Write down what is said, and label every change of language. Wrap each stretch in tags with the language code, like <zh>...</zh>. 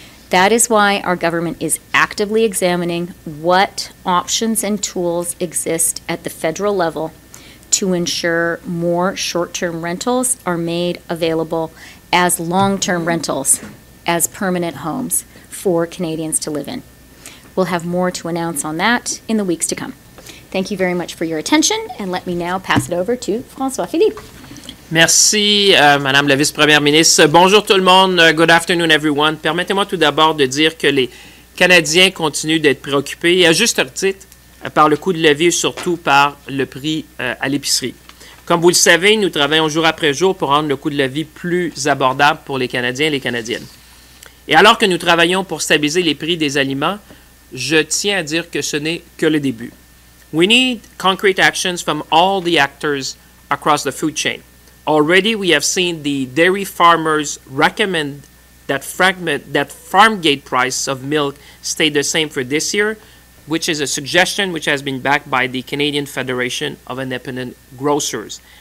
<en>That is why our government is actively examining what options and tools exist at the federal level to ensure more short-term rentals are made available as long-term rentals, as permanent homes for Canadians to live in. We'll have more to announce on that in the weeks to come. Thank you very much for your attention, and let me now pass it over to François-Philippe.</en> <fr>Merci, Madame la Vice-Première Ministre. Bonjour tout le monde.</fr> <en>Good afternoon, everyone.</en> <fr>Permettez-moi tout d'abord de dire que les Canadiens continuent d'être préoccupés, à juste titre, par le coût de la vie et surtout par le prix à l'épicerie. Comme vous le savez, nous travaillons jour après jour pour rendre le coût de la vie plus abordable pour les Canadiens et les Canadiennes. Et alors que nous travaillons pour stabiliser les prix des aliments, je tiens à dire que ce n'est que le début.</fr> <en>We need concrete actions from all the actors across the food chain. Already, we have seen the dairy farmers recommend that farm gate price of milk stay the same for this year, which is a suggestion which has been backed by the Canadian Federation of Independent Grocers.</en>